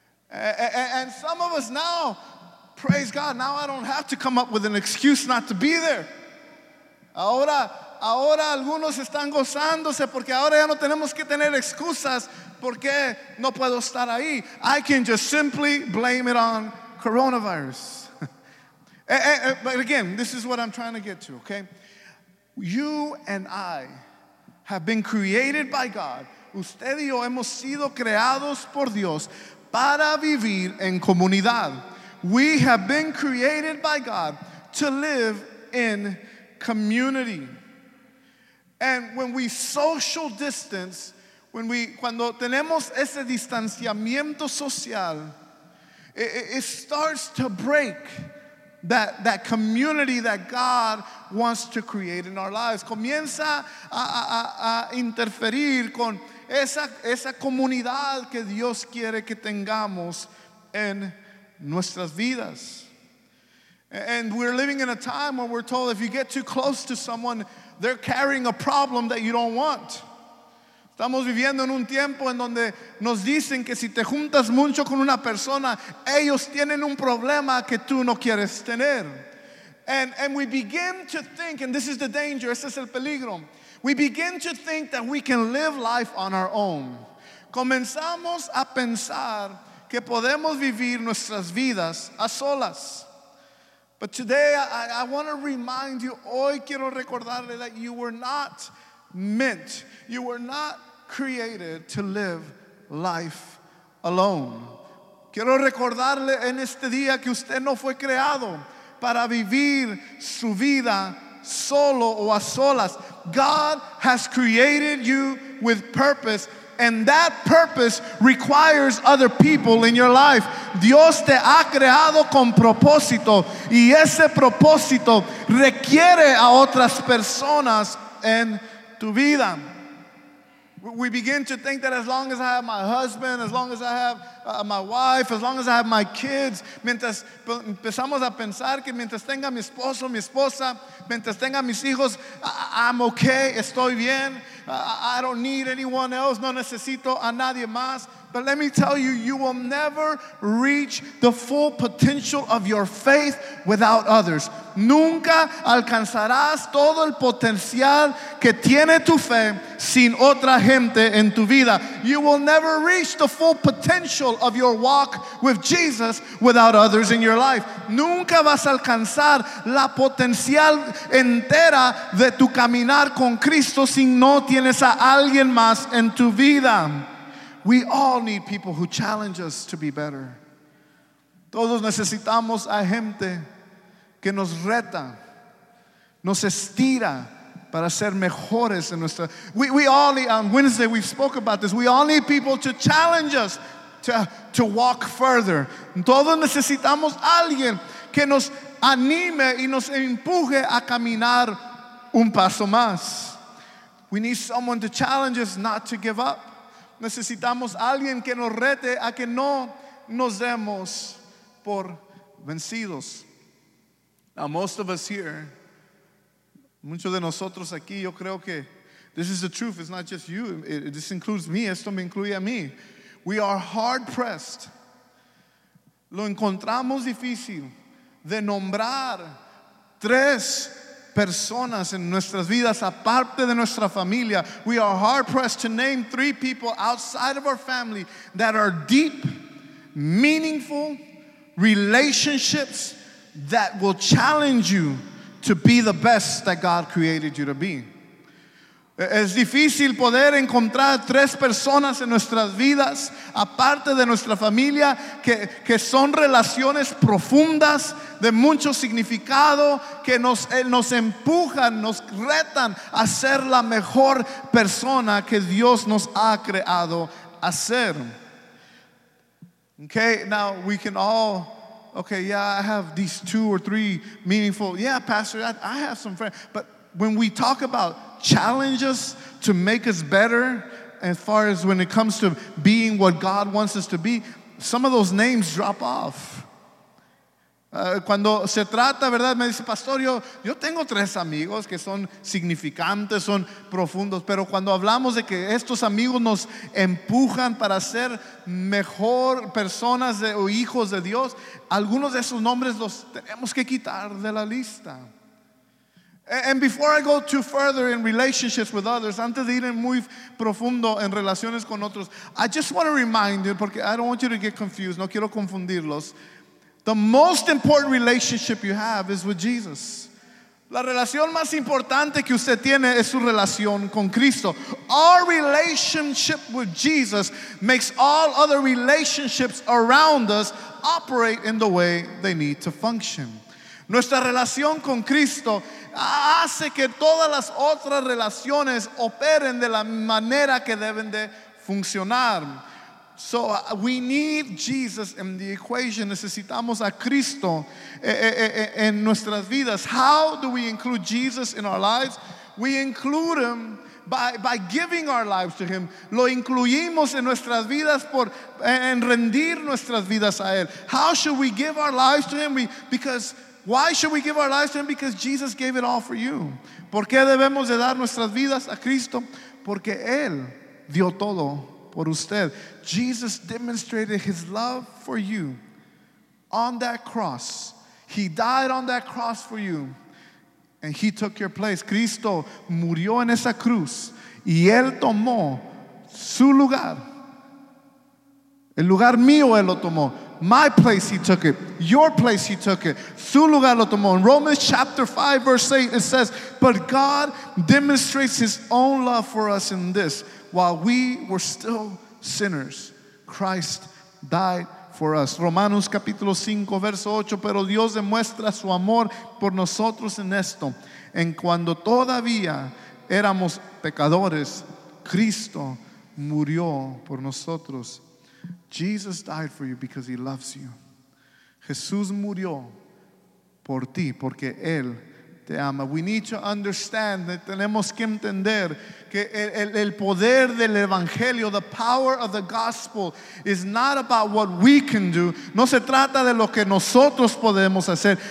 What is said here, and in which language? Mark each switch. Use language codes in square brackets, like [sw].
[en] And some of us now, praise God, now I don't have to come up with an excuse not to be there. [es] Ahora algunos están gozándose porque ahora ya no tenemos que tener excusas. ¿Por qué no puedo estar ahí? I can just simply blame it on coronavirus. [en] But again, this is what I'm trying to get to, okay? You and I have been created by God. [es] Usted y yo hemos sido creados por Dios para vivir en comunidad. [en] We have been created by God to live in community. And when we social distance, [es] cuando tenemos ese distanciamiento social, [en] it starts to break that community that God wants to create in our lives. [es] Comienza a interferir con esa comunidad que Dios quiere que tengamos en nuestras vidas. [en] And we're living in a time where we're told if you get too close to someone, they're carrying a problem that you don't want. [es] Estamos viviendo en un tiempo en donde nos dicen que si te juntas mucho con una persona, ellos tienen un problema que tú no quieres tener. [en] And we begin to think, and this is the danger, [es] ese es el peligro. [en] We begin to think that we can live life on our own. [es] Comenzamos a pensar que podemos vivir nuestras vidas a solas. [en] But today I want to remind you, [es] hoy quiero recordarle [en] that you were not meant, you were not created to live life alone. [es] Quiero recordarle en este día que usted no fue creado para vivir su vida solo o a solas. [en] God has created you with purpose, and that purpose requires other people in your life. [es] Dios te ha creado con propósito, y ese propósito requiere a otras personas en tu vida. [en] We begin to think that as long as I have my husband, as long as I have my wife, as long as I have my kids, [es] mientras empezamos a pensar que mientras tenga mi esposo, mi esposa, mientras tenga mis hijos, [en] I'm okay, [es] estoy bien, [en] I don't need anyone else, [es] no necesito a nadie más. [en] But let me tell you, you will never reach the full potential of your faith without others. [es] Nunca alcanzarás todo el potencial que tiene tu fe sin otra gente en tu vida. [en] You will never reach the full potential of your walk with Jesus without others in your life. [es] Nunca vas a alcanzar la potencial entera de tu caminar con Cristo si no tienes a alguien más en tu vida. [en] We all need people who challenge us to be better. [es] Todos necesitamos a gente que nos reta, nos estira para ser mejores en nuestra. [en] We all need, on Wednesday we spoke about this, we all need people to challenge us to walk further. [es] Todos necesitamos a alguien que nos anime y nos empuje a caminar un paso más. [en] We need someone to challenge us not to give up. [es] Necesitamos alguien que nos rete a que no nos demos por vencidos. [en] Now most of us here, [es] muchos de nosotros aquí, yo creo que [en] this is the truth, it's not just you, this includes me, [es] esto me incluye a mí. [en] We are hard pressed. [es] Lo encontramos difícil de nombrar tres personas en nuestras vidas aparte de nuestra familia. [en] We are hard pressed to name three people outside of our family that are deep, meaningful relationships that will challenge you to be the best that God created you to be. [es] Es difícil poder encontrar tres personas en nuestras vidas, aparte de nuestra familia, que son relaciones profundas, de mucho significado, que nos empujan, nos retan a ser la mejor persona que Dios nos ha creado a ser. [en] Okay, now we can all, okay, yeah, I have these two or three meaningful, yeah, Pastor, I have some friends, but when we talk about challenges to make us better, as far as when it comes to being what God wants us to be, some of those names drop off. [es] Cuando se trata, ¿verdad? Me dice, Pastor, yo tengo tres amigos que son significantes, son profundos, pero cuando hablamos de que estos amigos nos empujan para ser mejor personas o hijos de Dios, algunos de esos nombres los tenemos que quitar de la lista. [en] And before I go too further in relationships with others, [es] antes de ir muy profundo en relaciones con otros, [en] I just want to remind you, porque I don't want you to get confused, [es] no quiero confundirlos. [en] The most important relationship you have is with Jesus. [es] La relación más importante que usted tiene es su relación con Cristo. [en] Our relationship with Jesus makes all other relationships around us operate in the way they need to function. [es] Nuestra relación con Cristo hace que todas las otras relaciones operen de la manera que deben de funcionar. [en] So we need Jesus in the equation. [es] Necesitamos a Cristo en nuestras vidas. [en] How do we include Jesus in our lives? We include him by giving our lives to him. [es] Lo incluimos en nuestras vidas por en rendir nuestras vidas a él. [en] How should we give our lives to him? Why should we give our lives to him? Because Jesus gave it all for you. [es] ¿Por qué debemos de dar nuestras vidas a Cristo? Porque él dio todo por usted. [en] Jesus demonstrated his love for you on that cross. He died on that cross for you, and he took your place. [es] Cristo murió en esa cruz, y él tomó su lugar. El lugar mío él lo tomó. [en] My place he took it. Your place he took it. [es] Su lugar lo tomó. [en] In Romans chapter 5 verse 8 it says, but God demonstrates his own love for us in this. While we were still sinners, Christ died for us. [es] Romanos capítulo 5 verso 8, pero Dios demuestra su amor por nosotros en esto. En cuando todavía éramos pecadores, Cristo murió por nosotros. [en] Jesus died for you because he loves you. [es] Jesús murió por ti porque él te ama. [en] We need to understand that [es] tenemos que entender que el poder del evangelio, [en] the power of the gospel, is not about what we can do. [es] No se trata de lo que nosotros podemos hacer.